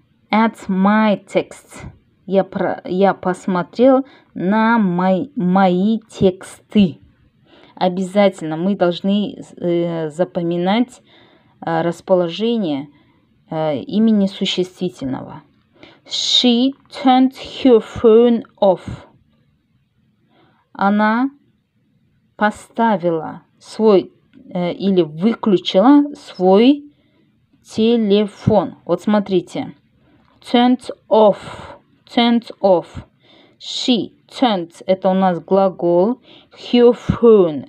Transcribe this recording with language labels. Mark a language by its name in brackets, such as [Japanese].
[English] At my text. [Russian] Я посмотрел на мои тексты. Обязательно мы должны запоминать расположение имени существительного. [English] She turned her phone off. [Russian] Она поставила свой или выключила свой телефон. Вот смотрите. [English] Turned off. Turned off. She turned. [Russian] Это у нас глагол. [English] Her phone.